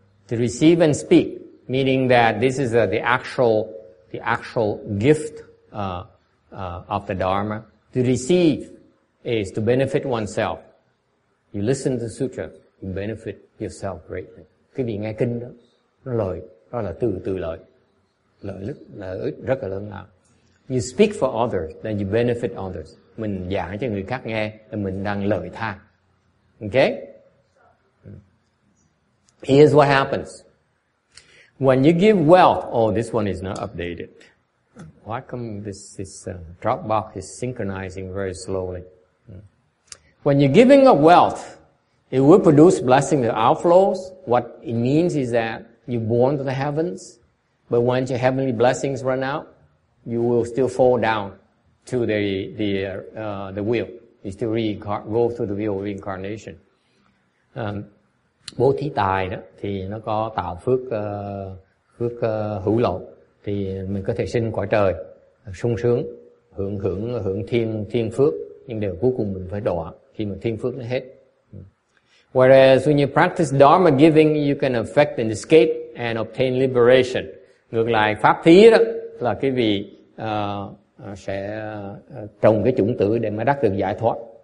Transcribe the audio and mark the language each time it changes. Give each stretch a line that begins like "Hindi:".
English: To receive and speak, meaning that this is the actual gift of the Dharma. To receive is to benefit oneself. You listen to sutra, you benefit yourself greatly.
Vietnamese: Cái vị nghe kinh đó, nó lợi, đó là từ lợi. Lợi ích rất là lớn lao.
English: You speak for others, then you benefit others.
Vietnamese: Mình giảng cho người khác nghe, là mình đang lợi tha.
English: Okay? Here's what happens. When you give wealth, oh, this one is not updated. Why come this Dropbox is synchronizing very slowly? When you're giving up wealth, it will produce blessing to outflows. What it means is that you're born to the heavens, but once your heavenly blessings run out, you will still fall down to the wheel. You still go through the wheel of reincarnation.
Vietnamese: Bố thí tài đó thì nó có tạo phước hữu lậu, thì mình có thể sinh cõi trời sung sướng hưởng thiên phước, nhưng đều cuối cùng mình phải đọa khi mà thiên phước nó hết.
English: Whereas when you practice dharma giving, you can affect and escape and obtain liberation.
Vietnamese: Ngược lại pháp thí đó là cái vị sẽ trồng cái chủng tử để mà đắc được giải thoát.